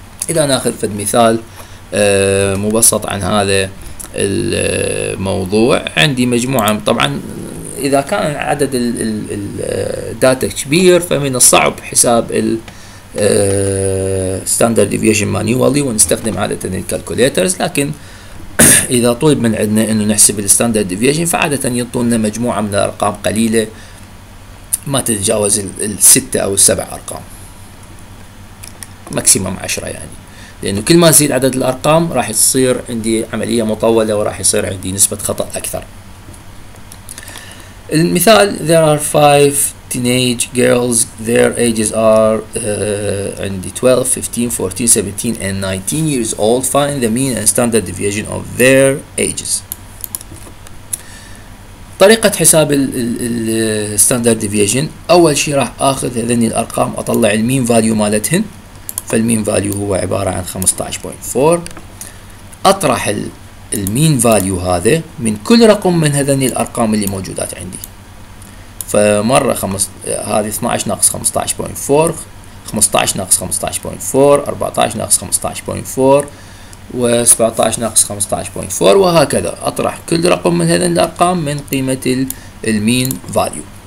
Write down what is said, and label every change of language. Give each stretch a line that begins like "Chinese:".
Arabic: اذا ناخذ فد مثال مبسط عن هذا الموضوع، عندي مجموعه، طبعا اذا كان عدد الداتا كبير فمن الصعب حساب الستاندرد ديفيشن مانيوالي، ونستخدم عاده الكالكوليترز، لكن إذا طلب من عندنا إنه نحسب الستاندرد ديفيجن فعادة يعطونا مجموعة من الأرقام قليلة ما تتجاوز الستة أو السبع أرقام، ماكسيمم 10 يعني، لأنه كل ما زيد عدد الأرقام راح تصير عندي عملية مطولة وراح يصير عندي نسبة خطأ أكثر. المثال
English: there are 5 teenage girls their ages are 12, 15, 14, 17, and 19 years old, find the mean and standard deviation of their ages.
Arabic: طريقة حساب ال standard deviation، أول شيء راح آخذ هذني الأرقام أطلع المين فاليو مالتهن، فالمين فاليو هو عبارة عن 15.4. أطرح المين فاليو هذا من كل رقم من هذني الأرقام اللي موجودات عندي، فمرة هذه 12 ناقص 15.4 15 ناقص 15.4 14 ناقص 15.4 و17 ناقص 15.4، وهكذا أطرح كل رقم من هذين الأرقام من قيمة المين فاليو.